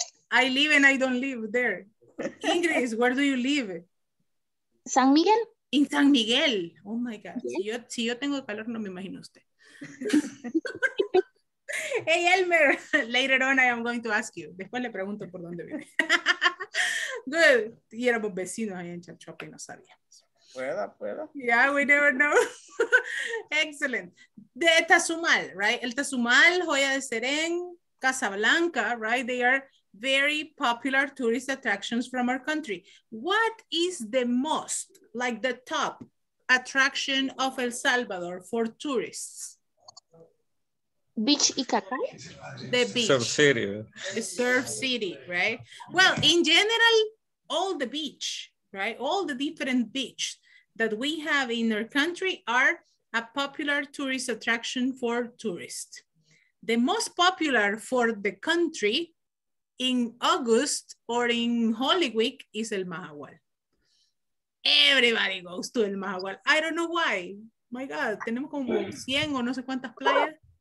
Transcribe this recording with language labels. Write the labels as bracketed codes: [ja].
[en] I live and I don't live there. Ingrid, where do you live? San Miguel. In San Miguel. Oh my God. Yeah. [es] Si yo tengo calor, no me imagino usted. [en] Hey, Elmer, later on I am going to ask you. [es] Después le pregunto por dónde vive. [en] Good. [es] Y éramos vecinos ahí en Chalchuapa y no sabíamos. Pueda. [en] Yeah, we never know. Excellent. The Tazumal, right? El Tazumal, Joya de Seren, Casablanca, right? They are very popular tourist attractions from our country. What is the most, like the top attraction of El Salvador for tourists? Beach Icacá? The beach. Surf City. The surf city, right? Well, in general, all the beach, right? All the different beaches that we have in our country are a popular tourist attraction for tourists. The most popular for the country in August or in Holy Week is El Mahahual. Everybody goes to El Mahahual. I don't know why. My God, [es] tenemos como 100 o no sé cuántas playas.